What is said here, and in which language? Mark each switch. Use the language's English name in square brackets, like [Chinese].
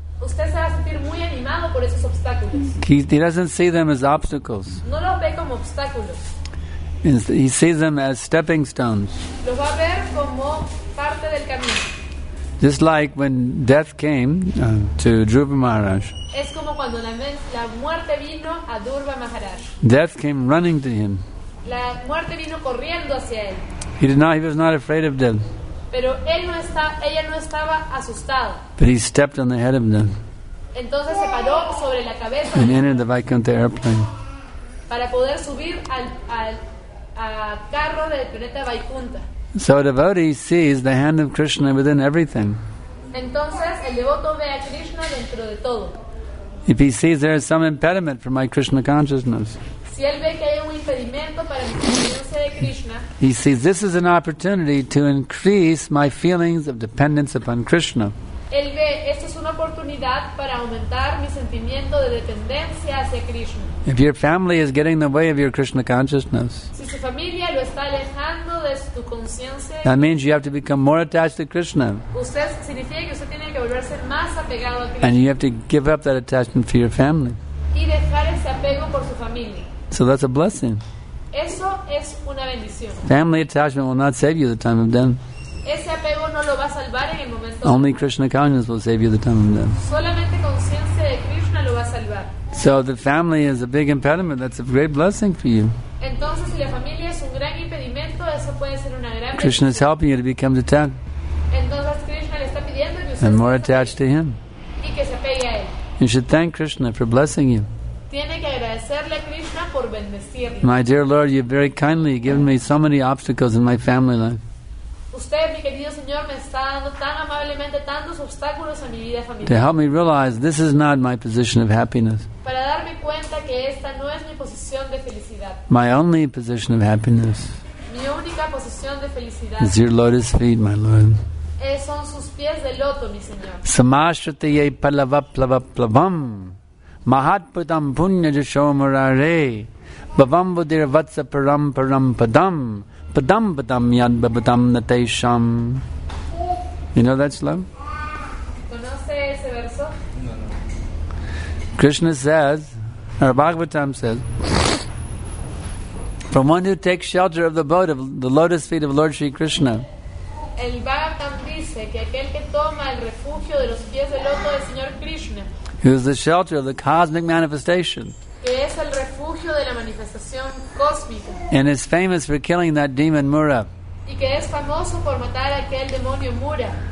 [Spanish] Usted se va a sentir muy animado por esos obstáculos. [English] He doesn't see them as obstacles. [Spanish] No los ve como obstáculos. [English] He sees them as stepping stones. [Spanish] Los va a ver como parte del camino. [English] Just like when death came to Dhruva Maharaj. [Spanish] Es como cuando la muerte vino a Dhruva Maharaj. [English] Death came running to him. [Spanish] La muerte vino corriendo hacia él. [English] He was not afraid of death. [Spanish] Pero ella no estaba asustada. [English] But he stepped on the head of them. [Spanish] Entonces se paró sobre la cabeza. [English] And entered the Vaikuntha airplane. [Spanish] Para poder subir al carro del planeta Vaikuntha. [English] So a devotee sees the hand of Krishna within everything. [Spanish] Entonces, el devoto ve a Krishna dentro de todo. [English] If he sees there is some impediment for my Krishna consciousness, [Spanish] si él ve que hay un impedimento para mi conciencia de Krishna, [English] he sees this is an opportunity to increase my feelings of dependence upon Krishna. [Spanish] Él ve, esto es una oportunidad para aumentar mi sentimiento de dependencia hacia Krishna. [English] If your family is getting in the way of your Krishna consciousness, [Spanish] si su familia lo está alejando de su conciencia, [English] that means you have to become more attached to Krishna. [Spanish] Usted significa que usted tiene que volverse más apegado a Krishna. [English] And you have to give up that attachment for your family. [Spanish] Y dejar ese apego por su familia. [English] So that's a blessing. [Spanish] Eso es una bendición. [English] Family attachment will not save you the time of death. [Spanish] Ese apego no lo va a salvar en el momento. [English] Only Krishna consciousness will save you the time of death. [Spanish] Solamente conciencia de Krishna lo va a salvar. [English] So the family is a big impediment. That's a great blessing for you. [Spanish] Entonces, si la familia es un gran impedimento, eso puede ser una gran. [English] Krishna is helping you to become detached. [Spanish] Entonces, Krishna le está pidiendo que usted [English] and more attached to him. [Spanish] Y que se apegue a él. [English] You should thank Krishna for blessing you. [Spanish] Tiene que agradecerle a Krishna por bendecirle. [English] My dear Lord, you've very kindly given me so many obstacles in my family life. [Spanish] Usted, mi querido señor, me está dando tan amablemente tantos obstáculos a mi vida familiar. [English] To help me realize this is not my position of happiness. [Spanish] Para darme cuenta que esta no es mi posición de felicidad. [English] My only position of happiness. [Spanish] Mi única posición de felicidad. [English] Is your lotus feet, my Lord. [Spanish] Son sus pies de loto, mi señor. [Sanskrit] Samashrutaye palava plava plavam mahatputam punya jashomarare bhavam buddhir vatsa param param padam. Padam padam yad babadam natesham. [English] You know that shlok? [Spanish] ¿Conoce ese verso? No. [English] Krishna says, or Bhagavatam says, from one who takes shelter of the boat of the lotus feet of Lord Sri Krishna. [Spanish] El Bhagavatam dice que aquel que toma el refugio de los pies del loto del Señor Krishna, [English] who is the shelter of the cosmic manifestation, [Spanish] que es el refugio de la manifestación cósmica, [English] and is famous for killing that demon Mura, [Spanish] y que es famoso por matar aquel demonio Mura,